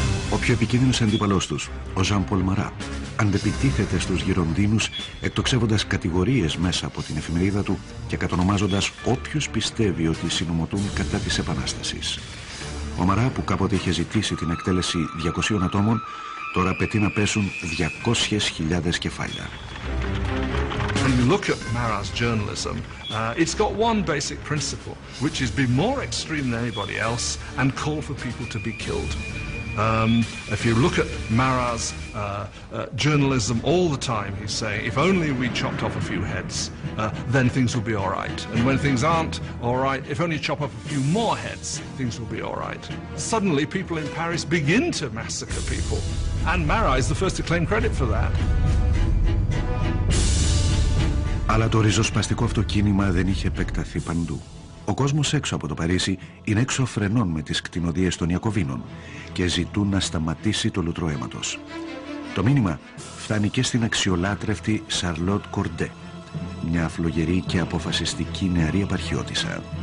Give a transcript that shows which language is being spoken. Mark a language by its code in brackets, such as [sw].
[el] Ο πιο επικίνδυνος αντίπαλός τους, ο Ζαν Πολ Μαρά, αντεπιτίθεται στους γεροντίνους εκτοξεύοντας κατηγορίες μέσα από την εφημερίδα του και κατονομάζοντας όποιους πιστεύει ότι συνωμοτούν κατά της Επανάστασης. Ο Μαρά, που κάποτε είχε ζητήσει την εκτέλεση 200 ατόμων, τώρα απαιτεί να πέσουν 200.000 κεφάλια. [en] When you look at Mara's journalism, it's got one basic principle, which is be more extreme than anybody else and call for people to be killed. If you look at Mara's journalism all the time, he's saying, if only we chopped off a few heads, then things will be all right. And when things aren't all right, if only you chop off a few more heads, things will be all right. Suddenly, people in Paris begin to massacre people. And Mara is the first to claim credit for that. [el] Αλλά το ριζοσπαστικό αυτοκίνημα δεν είχε επεκταθεί παντού. Ο κόσμος έξω από το Παρίσι είναι έξω φρενών με τις κτηνοδίες των Ιακωβίνων και ζητούν να σταματήσει το λουτρό αίματος. Το μήνυμα φτάνει και στην αξιολάτρευτη Σαρλότ Κορντέ, μια φλογερή και αποφασιστική νεαρή επαρχιώτησα.